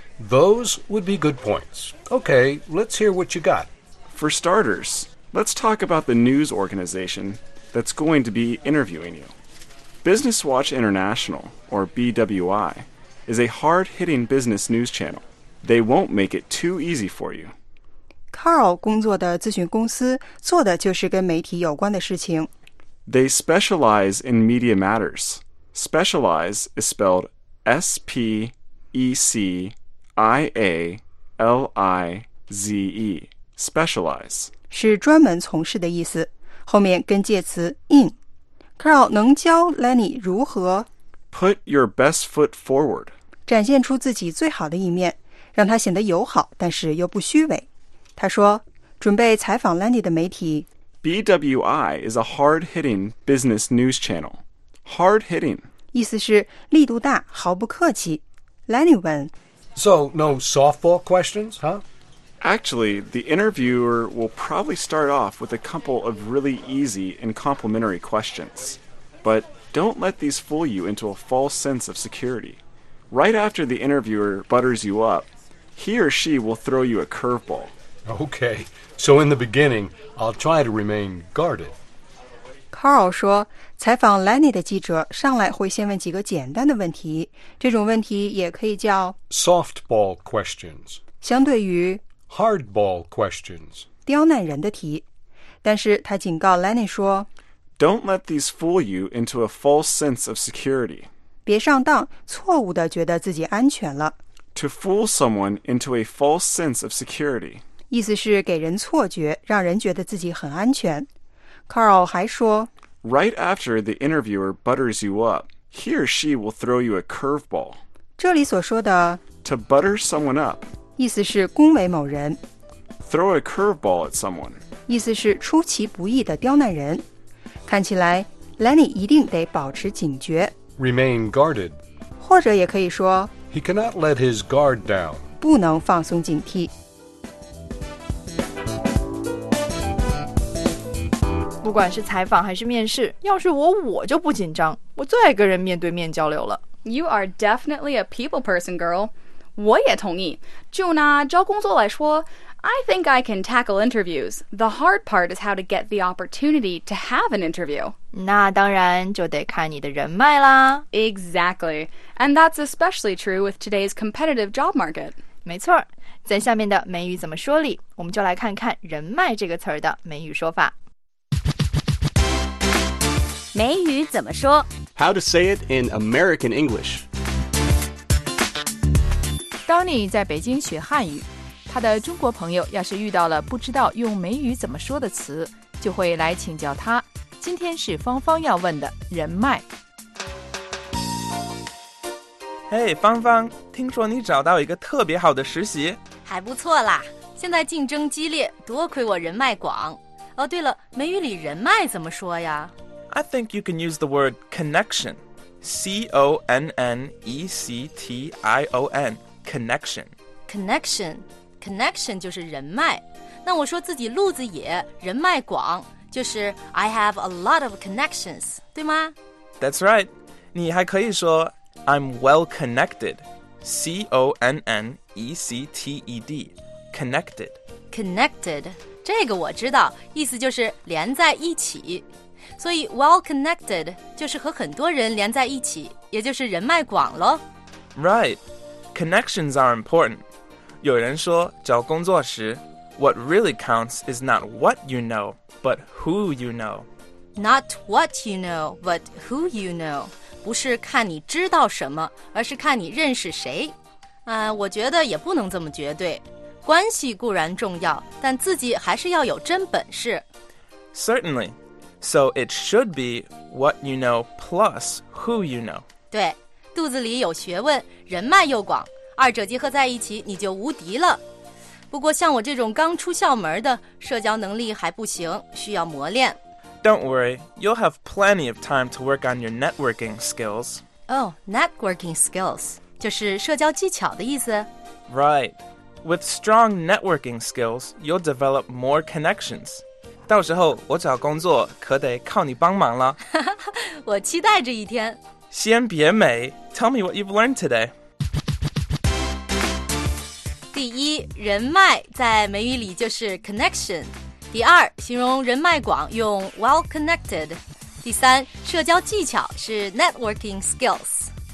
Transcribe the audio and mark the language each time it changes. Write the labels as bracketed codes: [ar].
[en] Those would be good points. Okay, let's hear what you got. For starters, let's talk about the news organization that's going to be interviewing you. Business Watch International, or BWI, is a hard-hitting business news channel. They won't make it too easy for you. [zh] Carl 工作的咨询公司做的就是跟媒体有关的事情。 [en] They specialize in media matters. Specialize is spelled S-P-E-C-I-A-L-I-Z-E. Specialize. [zh] 是专门从事的意思。后面跟介词 in。 Carl 能教 Lenny 如何 [en] Put your best foot forward. [zh] 展现出自己最好的一面，让他显得友好，但是又不虚伪。他说，准备采访 Lenny 的媒体。 [en] BWI is a hard-hitting business news channel. Hard-hitting. [zh] 意思是力度大，毫不客气。 Lenny 问。 [en] So, no softball questions, huh? Actually, the interviewer will probably start off with a couple of really easy and complimentary questions. But don't let these fool you into a false sense of security. Right after the interviewer butters you up, he or she will throw you a curveball. Okay, so in the beginning, I'll try to remain guarded. [zh] Carl 说，采访 Lenny 的记者上来会先问几个简单的问题，这种问题也可以叫 [en] softball questions， [zh] 相对于 [en] hardball questions， [zh] 刁难人的题。但是他警告 Lenny 说， [en] Don't let these fool you into a false sense of security. [zh] 别上当，错误地觉得自己安全了。 [en] To fool someone into a false sense of security. [zh] 意思是给人错觉，让人觉得自己很安全。 Carl 还说 [en] ，Right after the interviewer butters you up, he or she will throw you a curveball. [zh] 这里所说的 [en] to butter someone up， [zh] 意思是恭维某人。 [en] Throw a curveball at someone， [zh] 意思是出其不意的刁难人。看起来 ，Lenny 一定得保持警觉 [en] ，remain guarded， [zh] 或者也可以说 [en] ，He cannot let his guard down， [zh] 不能放松警惕。不管是采访还是面试，要是我，我就不紧张，我最爱跟人面对面交流了。 [en] You are definitely a people person, girl. [zh] 我也同意。就拿招工作来说 [en] ，I think I can tackle interviews. The hard part is how to get the opportunity to have an interview. [zh] 那当然就得看你的人脉啦。 [en] Exactly, and that's especially true with today's competitive job market. [zh] 没错，在下面的美语怎么说里，我们就来看看人脉这个词儿的美语说法。美语怎么说 [en] ？How to say it in American English? [zh] Donny 在北京学汉语，他的中国朋友要是遇到了不知道用美语怎么说的词，就会来请教他。今天是芳芳要问的人脉。 Hey， 芳芳，听说你找到一个特别好的实习，还不错啦。现在竞争激烈，多亏我人脉广。哦，对了，美语里人脉怎么说呀？ [en] I think you can use the word connection. C-O-N-N-E-C-T-I-O-N. Connection. [zh] Connection. Connection 就是人脉。那我说自己路子野，人脉广，就是 [en] I have a lot of connections, [zh] 对吗？ [en] That's right. [zh] 你还可以说 [en] I'm well connected. C-O-N-N-E-C-T-E-D. Connected. Connected. [zh] 这个我知道，意思就是连在一起。所以 well connected 就是和很多人连在一起，也就是人脉广咯。 [en] Right, connections are important. [zh] 有人说找工作时 [en] what really counts is not what you know, but who you know. Not what you know, but who you know. [zh] 不是看你知道什么，而是看你认识谁。我觉得也不能这么绝对。关系固然重要，但自己还是要有真本事。 [en] Certainly. So it should be what you know plus who you know. [zh] 对，肚子里有学问，人脉又广，二者结合在一起，你就无敌了。不过像我这种刚出校门的，社交能力还不行，需要磨练。 [en] Don't worry, you'll have plenty of time to work on your networking skills. [zh] Oh, networking skills, 就是社交技巧的意思。 [en] Right. With strong networking skills, you'll develop more connections. [zh] 到时候我找工作可得靠你帮忙了。我期待这一天。先别美 [en] ，Tell me what you've learned today。 [zh] 第一，人脉在美语里就是 connection。第二，形容人脉广用 well connected。第三，社交技巧是 networking skills。